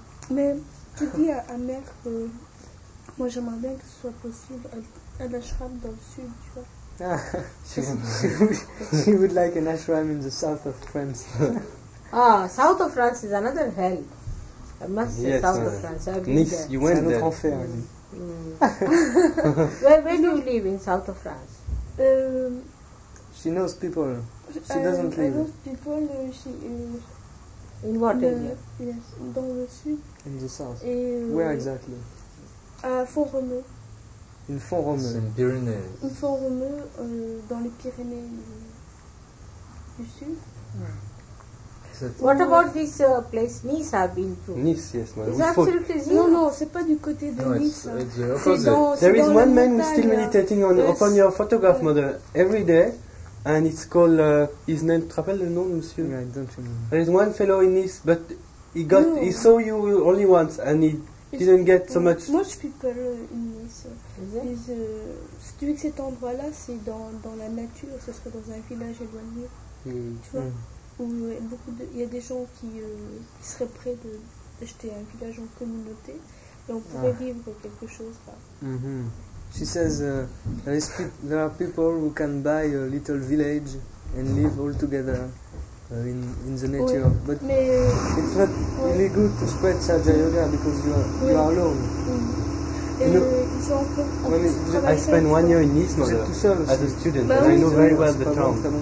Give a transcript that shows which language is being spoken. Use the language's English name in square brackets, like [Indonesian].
[French] Mais tu dis à mère que moi j'aimerais bien que ce soit possible un ashram dans le sud, tu vois. [English] She would like an ashram in the south of France. Ah, south of France is another hell. I must say, south of France. I've been Nice, there. You went there. Where do you live in south of France? She knows people. She doesn't live. I know people. She In what area? [French] Yes, dans le sud. [English] In the south. [French] Et [English] where exactly? Font-Romeu. In Font-Romeu. In Pyrenees. [French] In Font-Romeu, dans les Pyrénées du sud. [English] What about this place Nice I've been to? Nice, yes, ma'am. It's absolutely zero. No, [French] c'est pas du côté de Nice. [English] There is one man who's still meditating on upon your photograph, Mother, every day, and it's called his name. [French] Tu rappelles le nom, monsieur? [English] Yeah, I don't remember. There is one fellow in Nice, but he got he saw you only once, and he didn't get so much. Much people in Nice. [French] Si tu veux que cet endroit-là, c'est dans la nature, ce serait dans un village éloigné. Tu vois? Où beaucoup de, il y a des gens qui seraient prêts de acheter un village en communauté et on pourrait vivre quelque chose là. Mm-hmm. [English] She says there are people who can buy a little village and live all together in the nature. [French] Oui. [English] But [French] mais [English] it's not really good to spread Sahaja Yoga because you are alone. I spent 1 year in Nice, Mother, as a student, and I know very well the town.